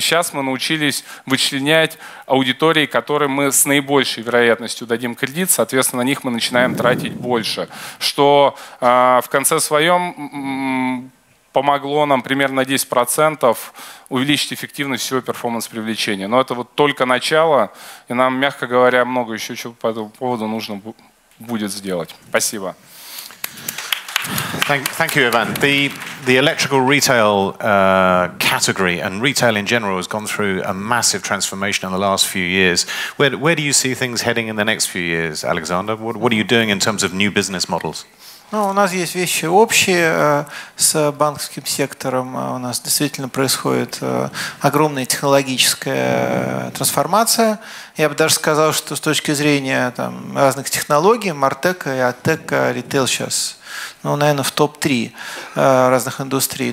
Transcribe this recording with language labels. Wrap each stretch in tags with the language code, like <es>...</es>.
<ru>Сейчас мы научились вычленять аудитории, которым мы с наибольшей вероятностью дадим кредит, соответственно, на них мы начинаем тратить больше, что в конце своем помогло нам примерно на 10% увеличить эффективность всего перформанс-привлечения. Но это вот только начало, и нам, мягко говоря, много еще чего по этому поводу нужно будет сделать. Спасибо.</ru> <en>Thank you, Ivan. The electrical retail category and retail in general has gone through a massive transformation in the last few years. Where do you see things heading in the next few years, Alexander? What are you doing in terms of new business models?</en> <ru>Ну, у нас есть вещи общие с банковским сектором. У нас действительно происходит огромная технологическая трансформация. Я бы даже сказал, что с точки зрения там, разных технологий, Мартека и Атека, ритейл сейчас, ну, наверное, в топ-3 разных индустрий.</ru>